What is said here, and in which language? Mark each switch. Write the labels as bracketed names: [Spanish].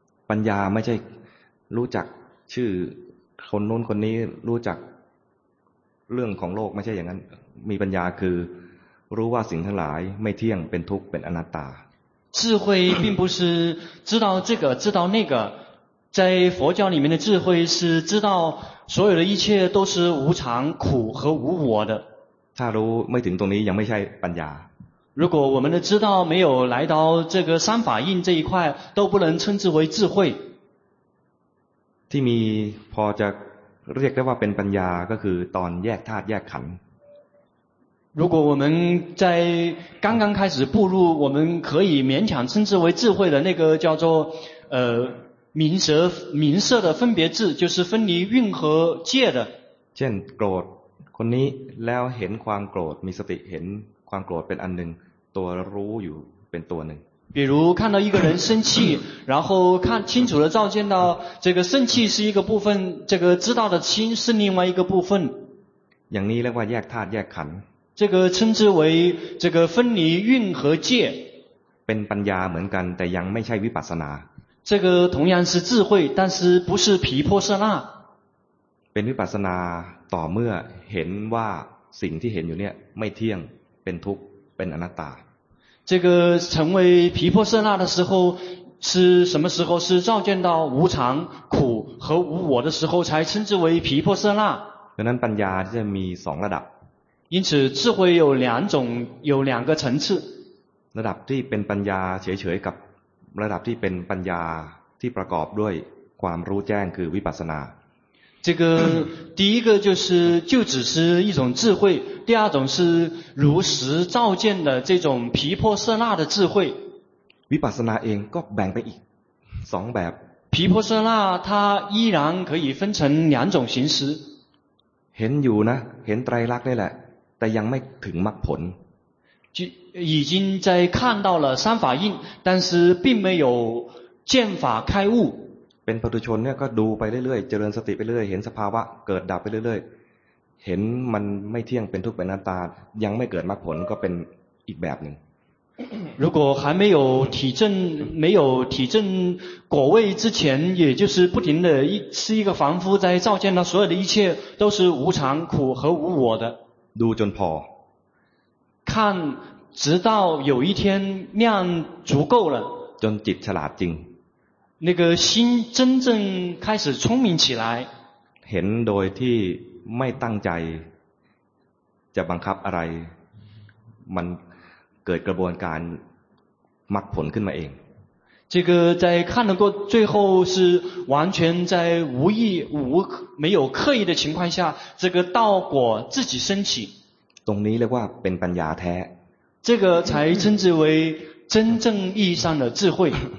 [Thai] ปัญญาไม่ใช่รู้จักชื่อคนโน้นคนนี้รู้จักเรื่องของโลกไม่ใช่อย่างนั้นมีปัญญาคือรู้ว่าสิ่งทั้งหลายไม่เที่ยงเป็นทุกข์เป็นอนัตตา [Chinese] 智慧并不是知道这个知道那个在佛教里面的智慧是知道所有的一切都是无常苦和无我的 [Thai] ถ้ารู้ไม่ถึงตรงนี้ยังไม่ใช่ปัญญา [Chinese] 如果我们的知道没有来到这个三法印这一块都不能称之为智慧 [Thai] ที่มีพอจะเรียกได้ว่าเป็นปัญญาก็คือตอนแยกธาตุแยกขันธ์ [Chinese] 如果我们在刚刚开始步入我们可以勉强称之为智慧的那个叫做明色的分别智就是分离蕴和界的 [Thai] เช่นโกรธคนนี้แล้วเห็นความโกรธมีสติเห็นความโกรธเป็นอันหนึ่งตัวรู้อยู่เป็นตัวหนึ่ง [Chinese] 比如看到一个人生气然后看清楚的照见到这个生气是一个部分这个知道的心是另外一个部分 [Thai] อย่างนี้เรียกว่าแยกธาตุแยกขันธ์ [Chinese] 这个称之为这个分离蕴和界 [Thai] เป็นปัญญาเหมือนกันแต่ยังไม่ใช่วิปัสสนา [Chinese] 这个同样是智慧但是不是毗婆舍那 [Thai] เป็นวิปัสสนาต่อเมื่อเห็นว่าสิ่งที่เห็นอยู่เนี่ยไม่เที่ยงเป็นทุกข์เป็นอนัตตา [Chinese] 这个成为毗婆舍那的时候是什么时候是照见到无常苦和无我的时候才称之为毗婆舍那 [Thai] ดังนั้นปัญญาจะมี2ระดับ [Chinese] 因此智慧有两种有两个层次 [Thai] ระดับที่เป็นปัญญาเฉยๆกับระดับที่เป็นปัญญาที่ประกอบด้วยความรู้แจ้งคือวิปัสสนา [Chinese] 这个第一个就只是一种智慧第二种是如实照见的这种毗婆舍那的智慧 [Thai] วิปัสสนาเองก็แบ่งไปอีก2แบบ [Chinese] 毗婆舍那它依然可以分成两种形式 [Thai] เห็นอยู่นะเห็นไตรลักษณ์ได้แหละแต่ยังไม่ถึงมรรคผล [Chinese] 已经在看到了三法印但是并没有见法开悟 [Thai] เป็นปุถุชนเนี่ยก็ดูไปเรื่อยๆเจริญสติไปเรื่อยเห็นสภาวะเกิดดับไปเรื่อย เห็นมันไม่เที่ยงเป็นทุกข์เป็นอนัตตายังไม่เกิดมรรคผลก็เป็นอีกแบบนึง [Chinese] 如果还没有体证没有体证果位之前也就是不停的一是一个凡夫在照见到所有的一切都是无常苦和无我的 [Thai] ดูจนพ [Chinese] อ看直到有一天量足够了 [Thai] จนจิตฉลาดจริง [Chinese] 那个心真正开始聪明起来 [Thai] เห็นโดยที่ไม่ตั้งใจจะบังคับอะไรมันเกิดกระบวนการมรรคผลขึ้นมาเอง [Chinese] 这个在看能够最后是完全在无意无没有刻意的情况下这个道果自己升起 [Thai] ตรงนี้เรียกว่าเป็นปัญญาแท้ [Chinese] 这个才称之为真正意义上的智慧